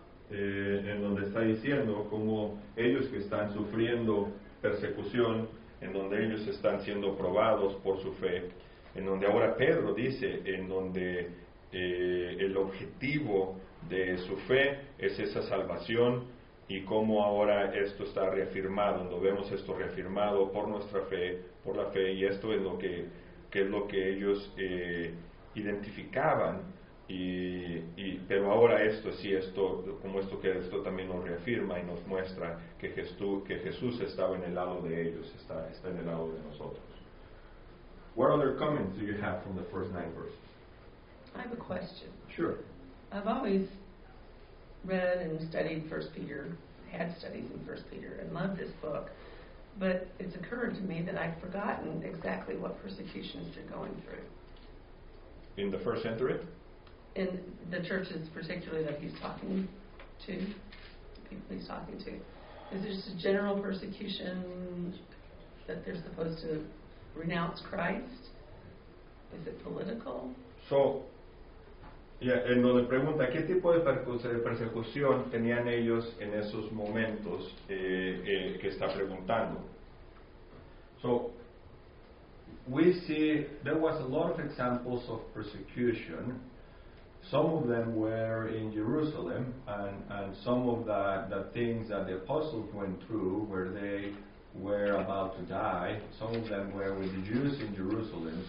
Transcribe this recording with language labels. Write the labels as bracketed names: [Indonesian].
[Spanish] En donde está diciendo cómo ellos que están sufriendo persecución, en donde ellos están siendo probados por su fe, en donde ahora Pedro dice, en donde el objetivo de su fe es esa salvación, y cómo ahora esto está reafirmado, donde vemos esto reafirmado por nuestra fe, por la fe, y esto es lo que ellos identificaban. Pero ahora esto también nos reafirma y nos muestra que Jesús estaba en el lado de ellos, está en el lado de nosotros. [English] What other comments do you have from the first 9 verses? I have a question. Sure. I've always read and studied First Peter, had studies in First Peter, and loved this book, but it's occurred to me that I've forgotten exactly what persecutions they're going through. In the first century? In the churches particularly that he's talking to, people he's talking to, is there just a general persecution that they're supposed to renounce Christ? Is it political? [Spanish] So, yeah, en donde pregunta, ¿qué tipo de persecución tenían ellos en esos momentos que está preguntando? [English] So, we see there was a lot of examples of persecution. Some of them were in Jerusalem, and some of the things that the apostles went through where they were about to die, some of them were with the Jews in Jerusalem.